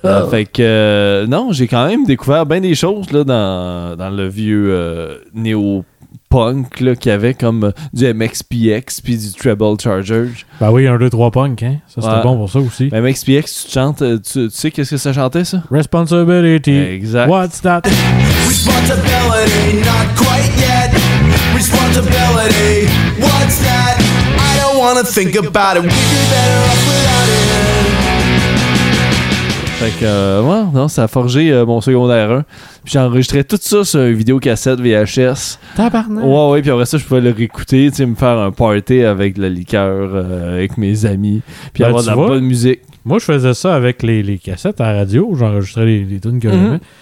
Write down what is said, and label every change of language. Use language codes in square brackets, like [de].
[fr] fait que non, j'ai quand même découvert bien des choses là dans le vieux néo punk là, qu'il y avait comme du MXPX puis du Treble Charger. Ben oui, 1, 2, 3 punk, hein. Ça, c'était bon pour ça aussi. Mais MXPX, tu chantes, tu sais qu'est-ce que ça chantait, ça? [en] Responsibility. [fr] Exact. [en] What's that? Responsibility, not quite yet. Responsibility, what's that? I don't wanna think about it. We'd be better off without it. [fr] Fait que, ouais, non, ça a forgé mon secondaire 1. Puis j'enregistrais tout ça sur une vidéocassette VHS. Tabarnak! Ouais, puis après ça, je pouvais le réécouter, tu sais, me faire un party avec de la liqueur, avec mes amis, puis ben, avoir de la bonne musique. Moi, je faisais ça avec les cassettes à la radio, j'enregistrais les tunes que j'aimais.